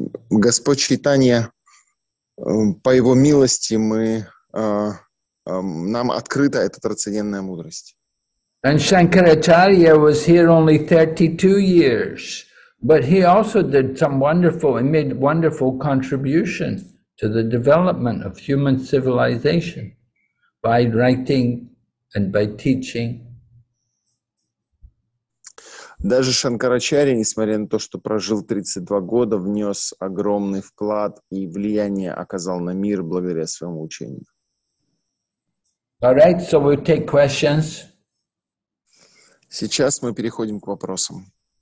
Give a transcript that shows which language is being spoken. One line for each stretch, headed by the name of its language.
Russian: Господь Чайтанья, по его милости мы нам открыта эта трансцендентная мудрость.
English: And Shankaracharya was here only 32 years, but he also did some wonderful and made wonderful contribution to the development of human civilization by writing and by teaching.
Russian: Даже Шанкарачарья, несмотря на то, что прожил 32 года, внес огромный вклад и влияние оказал на мир благодаря своему учению.
English: All right, so we'll take questions.
Russian: Сейчас мы переходим к вопросам.